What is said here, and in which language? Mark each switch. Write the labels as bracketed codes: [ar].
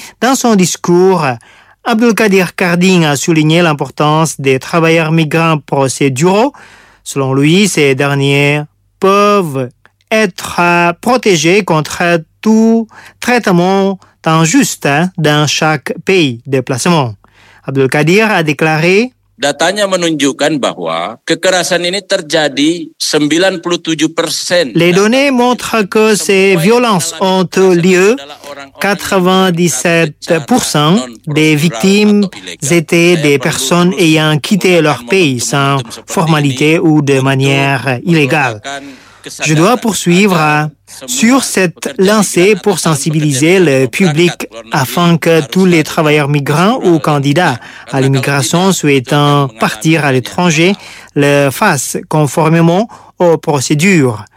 [fr] Dans son discours, Abdulkadir Carding a souligné l'importance des travailleurs migrants procéduraux. Selon lui, ces derniers peuvent être protégés contre tout traitement injuste dans chaque pays de placement. Abdulkadir a déclaré: [id] Datanya menunjukkan bahwa kekerasan ini terjadi 97%. [fr] Les données montrent que ces violences ont lieu. 97% des victimes étaient des personnes ayant quitté leur pays sans formalité ou de manière illégale. Je dois poursuivre sur cette lancée pour sensibiliser le public afin que tous les travailleurs migrants ou candidats à l'immigration souhaitant partir à l'étranger le fassent conformément aux procédures.